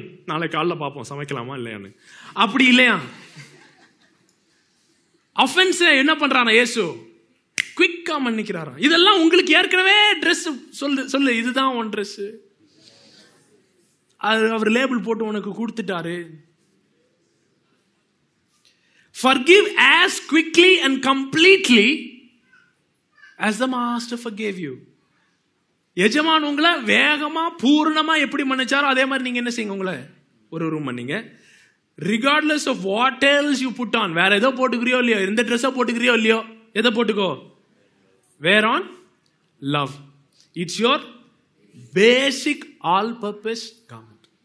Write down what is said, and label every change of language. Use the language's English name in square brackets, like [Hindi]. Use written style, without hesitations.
[Tamil] நாளைக்கு காலைல பாப்போம் சமைக்கலாமா இல்லையான்னு. அப்படி இல்லையா, ஆஃபென்ஸ் என்ன பண்றானா இயேசு? குயிக்கா மன்னிக்கிறாராம். இதெல்லாம் உங்களுக்கு ஏற்கனவே ட்ரெஸ் சொல்லு, இதுதான் உன் ட்ரெஸ். அவர் லேபிள் போட்டு உனக்கு கொடுத்துட்டாரு. [English] Forgive as quickly and completely as the master forgave you. [Tamil] எஜமான் உங்களை வேகமா பூர்ணமா எப்படி மன்னிச்சாரோ அதே மாதிரி நீங்க என்ன செய்யுங்க? உங்களை ஒரு ஒரு மன்னிங்க. [English] Regardless of what else you put on, [Tamil] வேற ஏதோ போட்டுக்கிறியோ இல்லையோ, இந்த ட்ரெஸ்ஸை போட்டுக்கிறியோ இல்லையோ, எதை போட்டுக்கோ, [English] wear on love. It's your basic all purpose garment.